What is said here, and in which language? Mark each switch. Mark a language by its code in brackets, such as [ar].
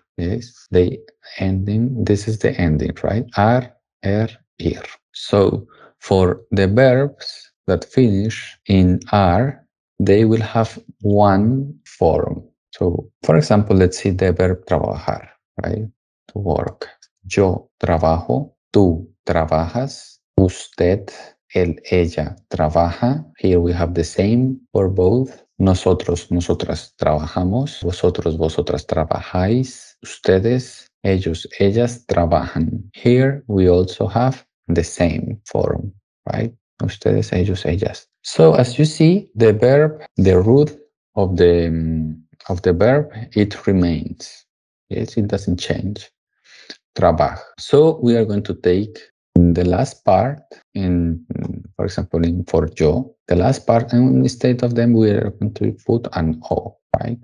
[en] Yes, the ending, this is the ending, right? Ar, er, ir. So for the verbs that finish in ar, they will have one form. So for example, let's see the verb trabajar, right? To work. [es] Yo trabajo, tú trabajas, usted, él, ella trabaja. [en] Here we have the same for both. [es] Nosotros, nosotras trabajamos, vosotros, vosotras trabajáis, ustedes, ellos, ellas trabajan. [en] Here we also have the same form, right? [es] Ustedes, ellos, ellas. [en] So as you see, the verb, the root of the verb, it remains. Yes, it doesn't change. Trabaja. So we are going to take the last part in, for example, in for yo, the last part, and instead of them, we are going to put an O, right?